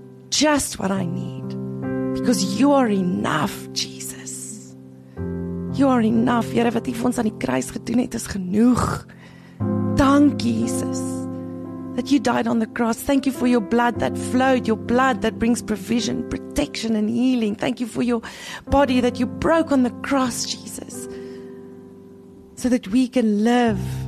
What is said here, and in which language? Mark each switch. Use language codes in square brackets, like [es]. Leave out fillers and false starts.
[en] Just what I need, because you are enough, Jesus. You are enough. [af] Here, wat u vir ons aan die kruis gedoen het, is genoeg. [en] Thank you, Jesus, that you died on the cross. Thank you for your blood that flowed, your blood that brings provision, protection and healing. Thank you for your body that you broke on the cross, Jesus, so that we can live.